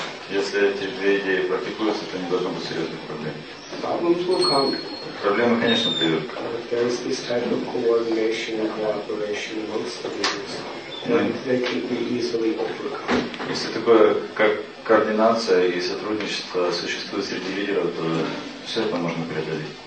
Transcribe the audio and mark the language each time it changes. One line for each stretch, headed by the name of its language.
Russian: Если эти две идеи практикуются, то не должно быть серьезных проблем.
English: Problems will come.
Russian: Проблемы, конечно, придут.
English: There is this type of coordination and cooperation amongst the leaders, they can be easily overcome.
Russian: Если такое, как координация и сотрудничество существует среди лидеров, то все это можно преодолеть.